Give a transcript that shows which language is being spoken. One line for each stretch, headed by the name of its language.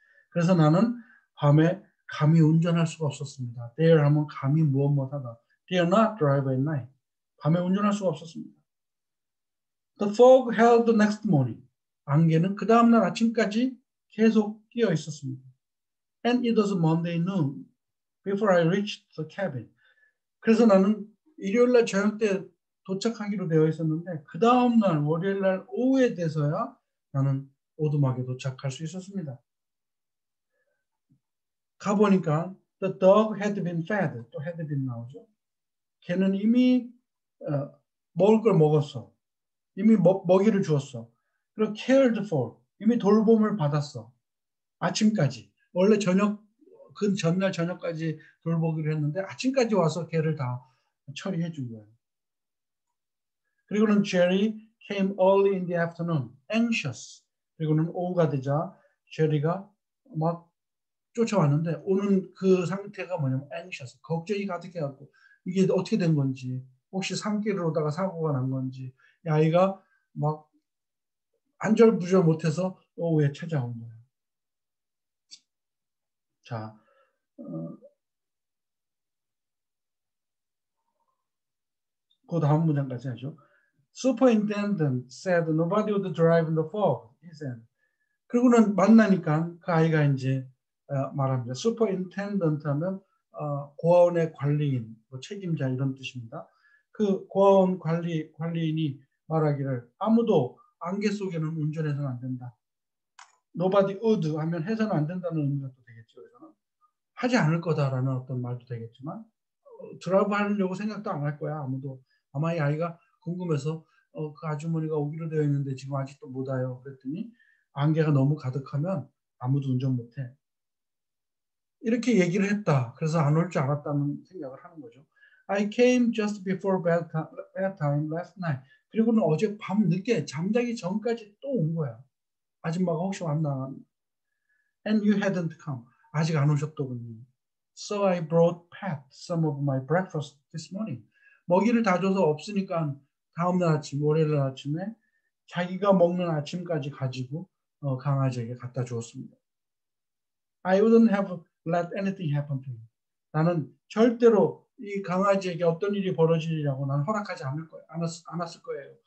Korean: 그래서 나는 밤에 감히 운전할 수가 없었습니다.
English: Dare
Korean: 하면 감히 무엇무엇하다.
English: Dare not drive at night.
Korean: 밤에 운전할 수가 없었습니다.
English: The fog held the next morning.
Korean: 안개는 그 다음날 아침까지 계속 끼어 있었습니다.
English: And it was Monday noon before I reached the cabin.
Korean: 그래서 나는 일요일날 저녁 때 도착하기로 되어 있었는데 그 다음날 월요일날 오후에 돼서야 나는 오두막에 도착할 수 있었습니다. 가보니까
English: the dog had been fed.
Korean: 또
English: had been
Korean: 나오죠. 걔는 이미 먹을 걸 먹었어. 이미 먹이를 주었어. 그리고
English: cared for.
Korean: 이미 돌봄을 받았어. 아침까지. 원래 저녁 그 전날 저녁까지 돌보기로 했는데 아침까지 와서 개를 다 처리해 준 거예요. 그리고는
English: Jerry came early in the afternoon, anxious.
Korean: 그리고는 오후가 되자 Jerry가 막 쫓아왔는데 오는 그 상태가 뭐냐면 anxious, 걱정이 가득해갖고 이게 어떻게 된 건지, 혹시 산길을 오다가 사고가 난 건지, 이 아이가 막 안절부절 못해서 오후에 찾아온 거예요. 자, 그 다음 문장까지 하죠.
English: Superintendent said nobody would drive in the fog. He said.
Korean: 그리고는 만나니까 그 아이가 이제 말합니다. Superintendent 하면 고아원의 관리인, 뭐 책임자 이런 뜻입니다. 그 고아원 관리인이 말하기를 아무도 안개 속에는 운전해서는 안 된다. Nobody would 하면 해서는 안 된다는 의미가 또 되겠죠. 그래서는. 하지 않을 거다라는 어떤 말도 되겠지만 드라이브 하려고 생각도 안 할 거야 아무도 아마 이 아이가 궁금해서 그 아주머니가 오기로 되어 있는데 지금 아직도 못 와요 그랬더니 안개가 너무 가득하면 아무도 운전 못해 이렇게 얘기를 했다 그래서 안 올 줄 알았다는 생각을 하는 거죠
English: I came just before bedtime last night
Korean: 그리고는 어제 밤 늦게 잠자기 전까지 또 온 거야 아줌마가 혹시 왔나
English: And you hadn't come
Korean: 아직 안 오셨더군요.
English: So I brought Pat some of my breakfast this morning.
Korean: 먹이를 다 줘서 없으니까 다음날 아침, 월요일 아침에 자기가 먹는 아침까지 가지고 강아지에게 갖다 주었습니다.
English: I wouldn't have let anything happen to him.
Korean: 나는 절대로 이 강아지에게 어떤 일이 벌어지리라고 난 허락하지 않을 거예요. 안았을 거예요.